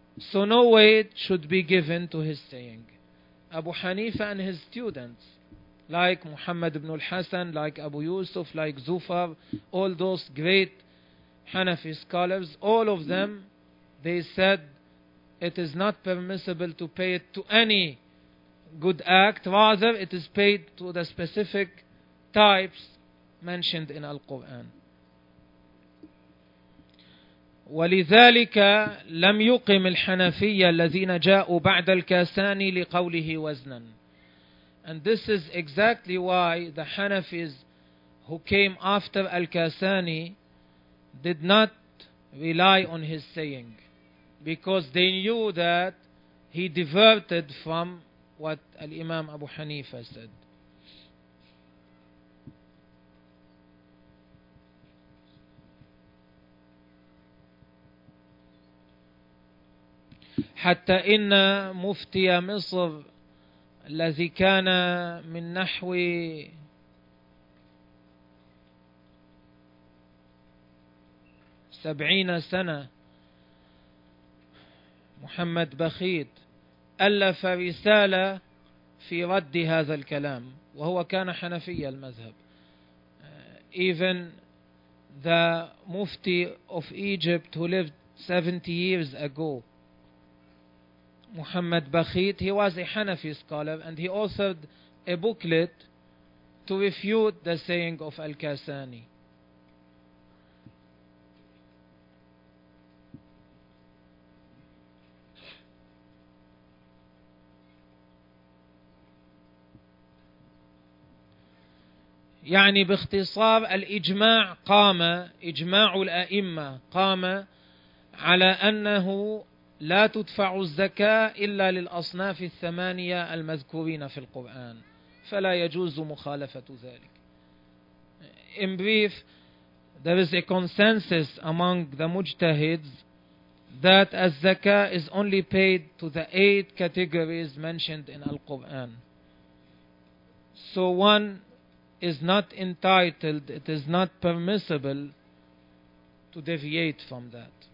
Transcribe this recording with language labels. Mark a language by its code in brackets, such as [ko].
[en] So no weight should be given to his saying. Abu Hanifa and his students, like Muhammad ibn al-Hasan, like Abu Yusuf, like Zufar, all those great Hanafi scholars, all of them, they said it is not permissible to pay it to any good act, rather it is paid to the specific types mentioned in Al-Quran. [ar] ولذلك لم يقم الحنفية الذين جاءوا بعد الكاساني لقوله وزنا. [en] And this is exactly why the Hanafis who came after Al-Kasani did not rely on his saying, because they knew that he diverted from what Al-Imam Abu Hanifa said. [ar] حتى إن مفتي مصر الذي كان من نحو سبعين سنة محمد بخيت ألف رسالة في رد هذا الكلام وهو كان حنفي المذهب. [en] Even the Mufti of Egypt who lived 70 years ago, Muhammad Bakhit, he was a Hanafi scholar and he authored a booklet to refute the saying of Al-Kasani. [ar] يعني باختصار الإجماع قام, إجماع الأئمة قام على أنه لا تدفع الزكاة إلا للأصناف الثمانية المذكورين في القرآن فلا يجوز مخالفة ذلك. [en] In brief, there is a consensus among the mujtahids that الزكاة is only paid to the eight categories mentioned in Al-Quran. So one is not entitled, it is not permissible to deviate from that.